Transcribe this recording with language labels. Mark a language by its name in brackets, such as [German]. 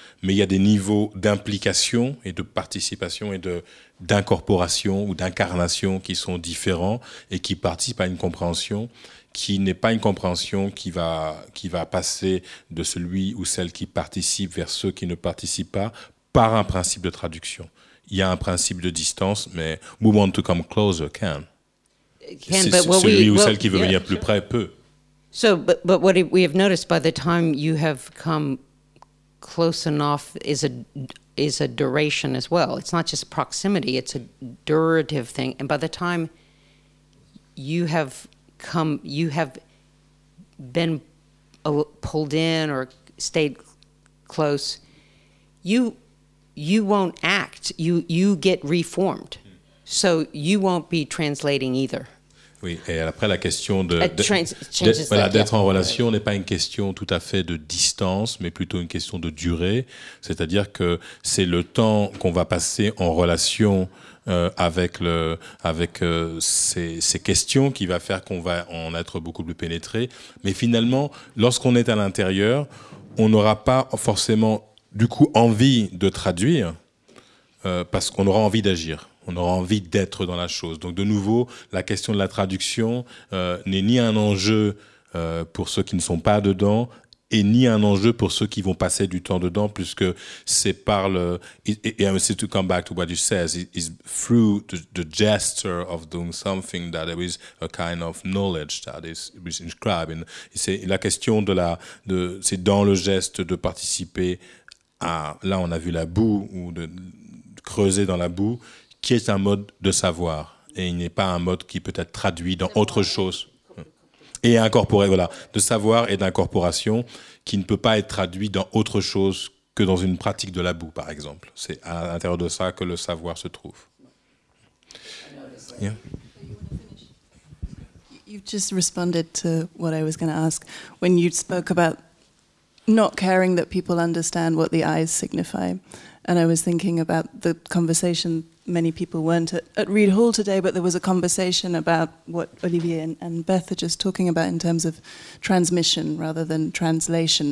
[French] mais il y a des niveaux d'implication et de participation et d'incorporation ou d'incarnation qui sont différents et qui participent à une compréhension qui n'est pas une compréhension qui va passer de celui ou celle qui participe vers ceux qui ne participent pas par un principe de traduction. Il y a un principe de distance, mais « [English] we want to come closer, can ». [French] Celui ou celle qui veut venir plus près peut. [English] So, but what we have noticed by the time you have come close enough is a duration as well. It's not just proximity, it's a durative thing. And by the time you have come, you have been pulled in or stayed close, you won't act. You get reformed. So you won't be translating either. [French] Oui, et après la question d'être en relation n'est pas une question tout à fait de distance, mais plutôt une question de durée. C'est-à-dire que c'est le temps qu'on va passer en relation avec ces questions qui va faire qu'on va en être beaucoup plus pénétré. Mais finalement, lorsqu'on est à l'intérieur, on n'aura pas forcément du coup envie de traduire parce qu'on aura envie d'agir. On aura envie d'être dans la chose. Donc, de nouveau, la question de la traduction n'est ni un enjeu pour ceux qui ne sont pas dedans et ni un enjeu pour ceux qui vont passer du temps dedans, puisque c'est par le... [English] It's to come back to what you said. It's through the gesture of doing something that there is a kind of knowledge that is inscribed. [French] C'est la question de la... C'est dans le geste de participer à... Là, on a vu la boue, ou de creuser dans la boue, qui est un mode de savoir, et il n'est pas un mode qui peut être traduit dans autre chose. Et incorporé, voilà, de savoir et d'incorporation, qui ne peut pas être traduit dans autre chose que dans une pratique de la boue, par exemple. C'est à l'intérieur de ça que le savoir se trouve. [English] Yeah. You've just responded to what I was going to ask. When you spoke about not caring that people understand what the eyes signify, and I was thinking about the conversation. Many people weren't at Reed Hall today, but there was a conversation about what Olivier and Beth are just talking about in terms of transmission rather than translation.